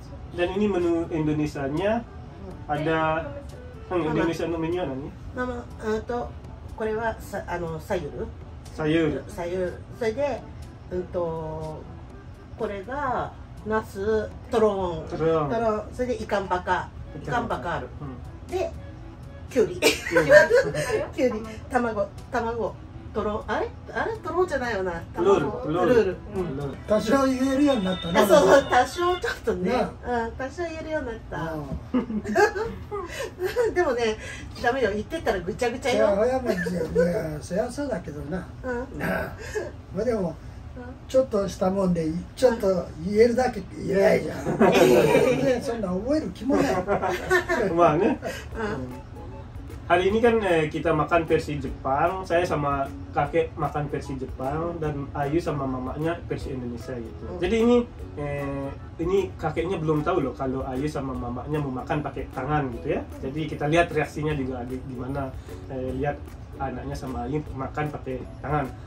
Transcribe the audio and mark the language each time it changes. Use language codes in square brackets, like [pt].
[id] Dan ini menu Indonesia nya ada Indonesia [ja] no menu nani? [id] Nama, itu, [ja] これは [id] sayur. Sayur. Sayur. Jadi, itu, [ja] これが [id] nasu terong. Terong. Terong. Jadi ikan baka. Ikan baka [ja] ある。で。キュウリ、キュウリ、卵、卵、トロ、あれ、あれトロじゃないよな、卵、ルール、ルール、うん、多少言えるようになったね。あ、そうそう、多少ちょっとね、多少言えるようになった。でもね、ダメよ、言ってたらぐちゃぐちゃよ。いや、早めに、いや、そりゃそうだけどな。うん。まあでも、ちょっとしたもんで、ちょっと言えるだけ言えないじゃん。そんな覚える気もない。まあね。 [id] Hari ini kan kita makan versi Jepang, saya sama kakek makan versi Jepang dan Ayu sama mamanya versi Indonesia gitu. Jadi ini kakeknya belum tahu loh kalau Ayu sama mamanya mau makan pakai tangan gitu ya. Jadi kita lihat reaksinya juga adik gimana lihat anaknya sama Ayu makan pakai tangan.